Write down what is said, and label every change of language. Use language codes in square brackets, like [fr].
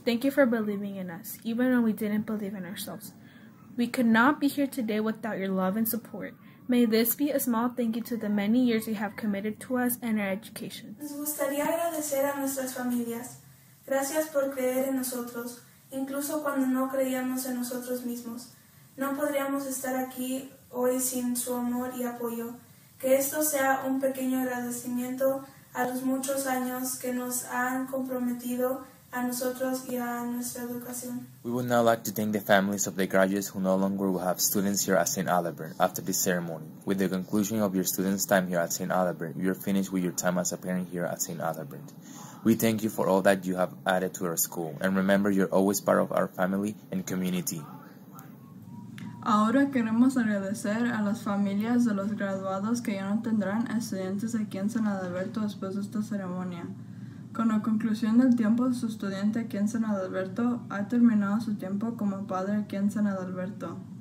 [en] Thank you for believing in us, even when we didn't believe in ourselves. We could not be here today without your love and support. May this be a small thank you to the many years you have committed to us and our education. [es] Nos gustaría agradecer a nuestras familias. Gracias por creer en nosotros, incluso cuando no creíamos en nosotros mismos. No podríamos estar aquí hoy sin su amor y apoyo. Que esto sea un pequeño agradecimiento a los muchos años que nos han comprometido a nosotros y a nuestra educación. [en] We would now like to thank the families of the graduates who no longer will have students here at St. Adalbert after this ceremony. With the conclusion of your students' time here at St. Adalbert, you are finished with your time as a parent here at St. Adalbert. We thank you for all that you have added to our school, and remember you're always part of our family and community. [es] Ahora queremos agradecer a las familias de los graduados que ya no tendrán estudiantes aquí en San Adalberto después de esta ceremonia. Con la conclusión del tiempo de su estudiante aquí en San Adalberto, ha terminado su tiempo como padre aquí en San Adalberto.